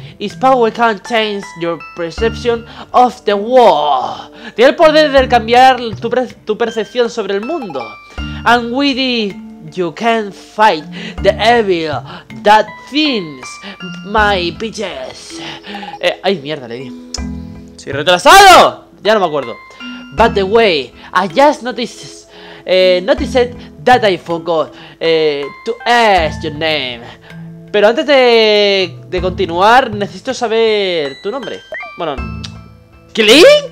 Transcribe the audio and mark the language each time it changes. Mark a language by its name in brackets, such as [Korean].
[English] Its power can change your perception of the world. [Spanish] Tiene el poder de cambiar tu percepción sobre el mundo. [English] And with it, you can fight the evil that thins my bitches. [Spanish] Ay, mierda, le di. ¡Soy retrasado! Ya no me acuerdo. [English] But the way, I just noticed that I forgot to ask your name. [Spanish] Pero antes de continuar, necesito saber tu nombre. Bueno, ¿Clink?